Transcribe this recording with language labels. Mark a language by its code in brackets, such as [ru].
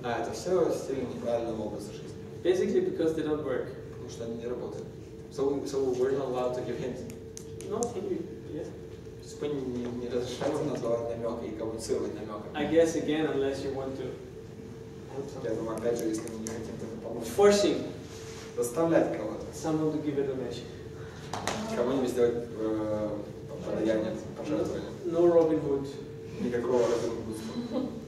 [ru] Ah, это все стиль неправильного образа жизни. [en] Basically because they don't work. [ru] Потому что они не работают. [en] So we're not allowed to give hints. No, yeah. [ru] То есть мы не разрешаем называть намеки и коммуницировать намеками. [en] I guess again, unless you want to have [ru] Я думаю, опять же, если мы не хотим кому-то помочь. [en] Forcing. [ru] Заставлять кого-то. [en] Someone to give a donation. [ru] Кому-нибудь сделать подаяние, пожертвование. [en] No Robin Hood. [ru] Никакого Робин Гудства.